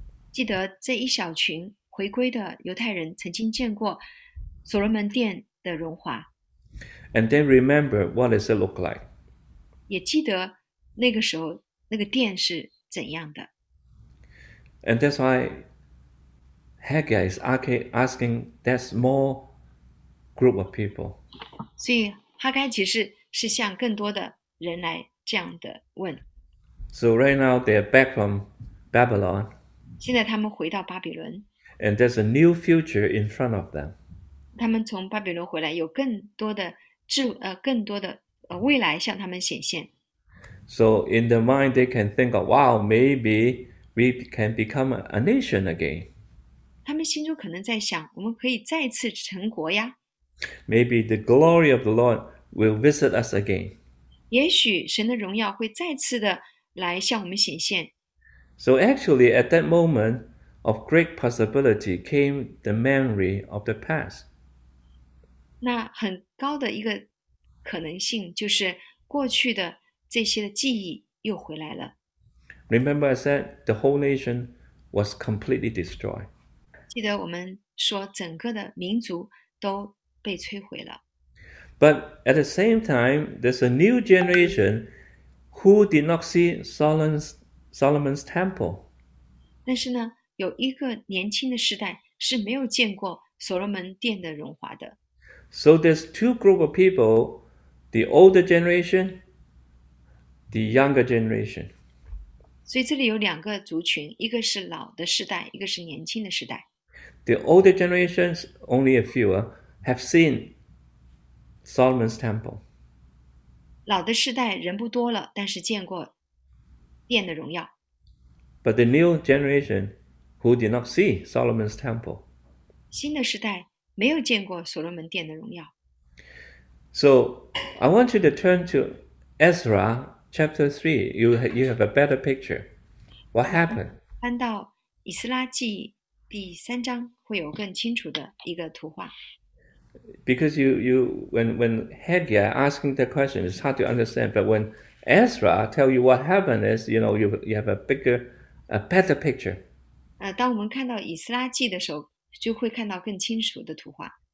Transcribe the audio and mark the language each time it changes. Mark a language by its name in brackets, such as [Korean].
[Chinese] 记得这一小群回归的犹太人曾经见过所罗门殿的荣华， [English] And then remember what does it look like? [Chinese] 也记得那个时候那个殿是怎样的。 [English] And that's why Haggai is asking that small group of people. [Chinese] 所以哈该其实是向更多的人来这样的问。 [English] So right now they're back from Babylon, [Chinese] 现在他们回到巴比伦， [English] and there's a new future in front of them. [Chinese] 他们从巴比伦回来，有更多的更多的未来向他们显现。 [English] So in their mind, they can think of, wow, maybe we can become a nation again. [Chinese] 他们心中可能在想，我们可以再次成国呀。 [English] Maybe the glory of the Lord will visit us again. [Chinese] 也许神的荣耀会再次的来向我们显现。 [English] So actually, at that moment of great possibility came the memory of the past. [Chinese] 那很高的一个可能性，就是过去的这些的记忆又回来了。 [English] Remember, I said the whole nation was completely destroyed. [Chinese] 记得我们说，整个的民族都被摧毁了。 [English] But at the same time, there's a new generation who did not see Solomon's temple. [Chinese] 但是呢，有一个年轻的世代是没有见过所罗门殿的荣华的。 [English] So there's two group of people, the older generation, the younger generation. [Chinese] 所以这里有两个族群，一个是老的世代，一个是年轻的世代。 [English] The older generations, only a few, have seen Solomon's temple. [Chinese] 老的世代人不多了，但是见过殿的荣耀。 [English] But the new generation, who did not see Solomon's temple. [Chinese] 新的世代没有见过所罗门殿的荣耀。 [English] So, I want you to turn to Ezra chapter 3. You have a better picture. What [Chinese] 我们 [English] happened? [Chinese] 翻到以斯拉记第三章，会有更清楚的一个图画。 [English] Because when Haggai asking the question, it's hard to understand. But when Ezra tell you what happened is, you have a better picture. [Chinese] 当我们看到以斯拉记的时候，就会看到更清楚的图画。